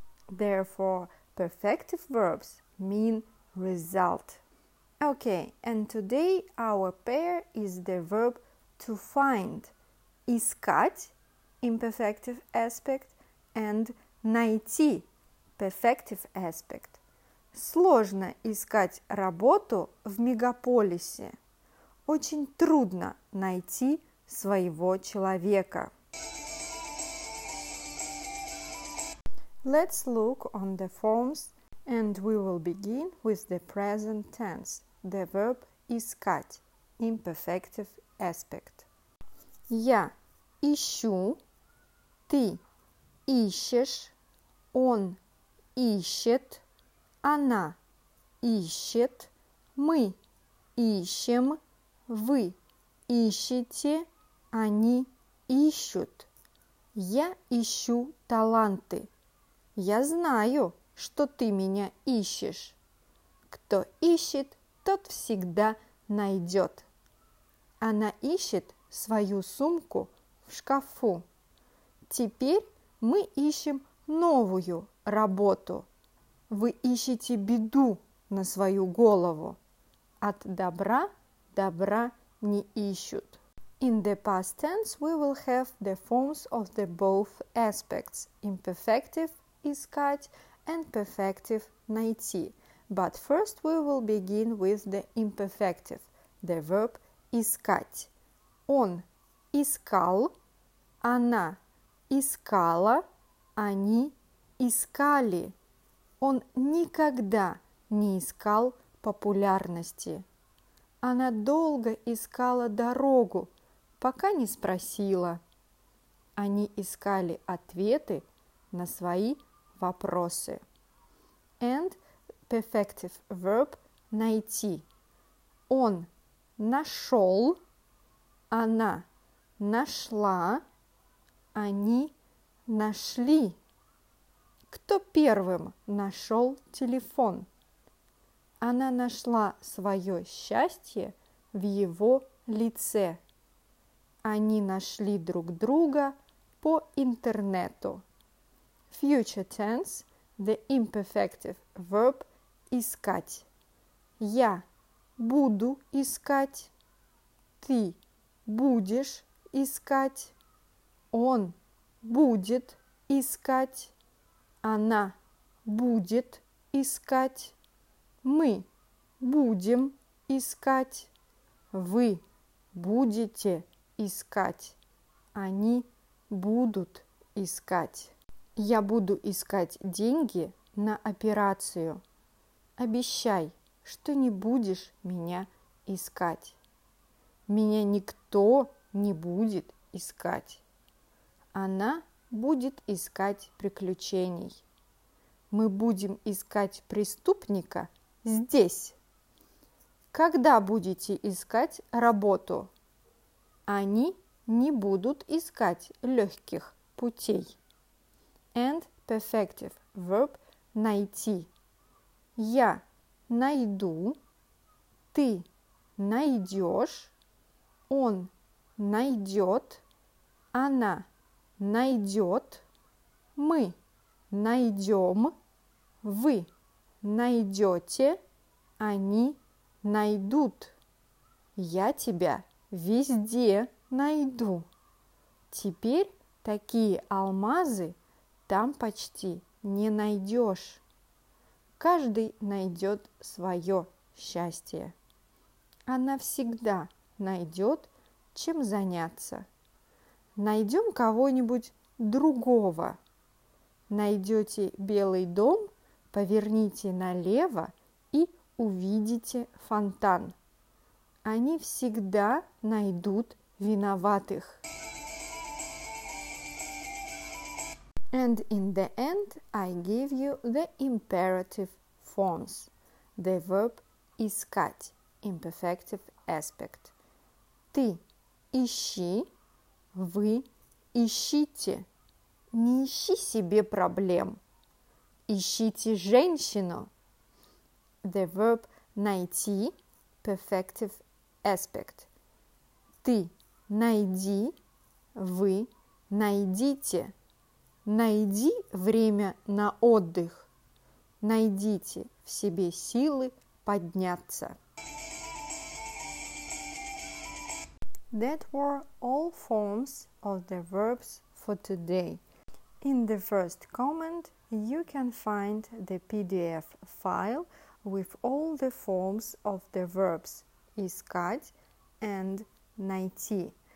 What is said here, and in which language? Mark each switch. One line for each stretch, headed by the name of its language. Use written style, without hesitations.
English: Therefore, perfective verbs mean result. Okay, and today our pair is the verb to find. Искать, imperfective aspect, and найти, perfective aspect.
Russian: Сложно искать работу в мегаполисе. Очень трудно найти своего человека. Let's look on the forms. And we will begin with the present tense, the verb искать, imperfective aspect. Я ищу, ты ищешь, он ищет, она ищет, мы ищем, вы ищете, они ищут. Я ищу таланты. Я знаю, что ты меня ищешь. Кто ищет, тот всегда найдет. Она ищет свою сумку в шкафу. Теперь мы ищем новую работу. Вы ищете беду на свою голову. От добра добра не ищут.
English: In the past tense, we will have the forms of the both aspects. Imperfective – искать, and perfective – найти. But first we will begin with the imperfective, the verb искать.
Russian: Он искал, она искала, они искали. Он никогда не искал популярности. Она долго искала дорогу, пока не спросила. Они искали ответы на свои вопросы.
English: And perfective verb найти.
Russian: Он нашел, она нашла, они нашли. Кто первым нашел телефон? Она нашла свое счастье в его лице. Они нашли друг друга по интернету.
English: Future tense, the imperfective verb искать.
Russian: Я буду искать, ты будешь искать, он будет искать, она будет искать, мы будем искать, вы будете искать, они будут искать. Я буду искать деньги на операцию. Обещай, что не будешь меня искать. Меня никто не будет искать. Она будет искать приключений. Мы будем искать преступника здесь. Когда будете искать работу? Они не будут искать легких путей.
English: And perfective verb найти.
Russian: Я найду, ты найдешь, он найдет, она найдет, мы найдем, вы найдете, они найдут. Я тебя везде найду. Теперь такие алмазы там почти не найдешь. Каждый найдет свое счастье. Она всегда найдет, чем заняться. Найдем кого-нибудь другого. Найдете белый дом, поверните налево и увидите фонтан. Они всегда найдут виноватых.
English: And in the end, I give you the imperative forms. The verb искать, imperfective aspect.
Russian: Ты ищи, вы ищите. Не ищи себе проблем. Ищите женщину.
English: The verb найти, perfective aspect.
Russian: Ты найди, вы найдите. Найди время на отдых. Найдите в себе силы подняться.
English: That were all forms of the verbs for today. In the first comment, you can find the PDF file with all the forms of the verbs искать and найти.